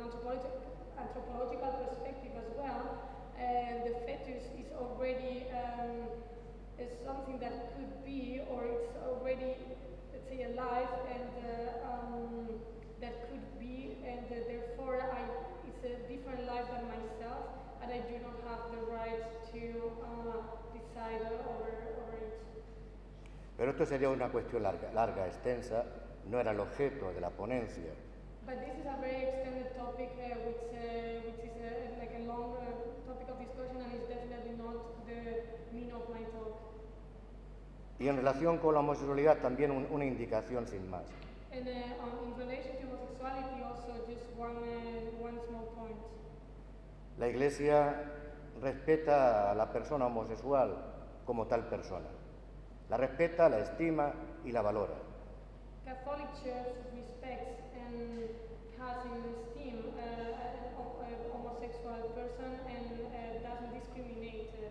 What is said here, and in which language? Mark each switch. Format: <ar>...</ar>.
<en>an anthropological perspective as well, the fetus is already is something that could be, or it's already, let's say, alive and that could be, and therefore it's a different life than myself, and I do not have the right to decide over it.</en> <es>Pero esto sería una cuestión larga, extensa, no era el objeto de la ponencia.</es> <en>But this is a very extended topic, which is like a long topic of discussion, and is definitely not the meaning of my talk.</en> <es>Y en relación con la homosexualidad, también una indicación sin más.</es> <en>And in relation to homosexuality, also just one small point.</en> <es>La Iglesia respeta a la persona homosexual como tal persona. La respeta, la estima y la valora.</es> <en>The Catholic Church respects and has in esteem a homosexual person and doesn't discriminate.</en>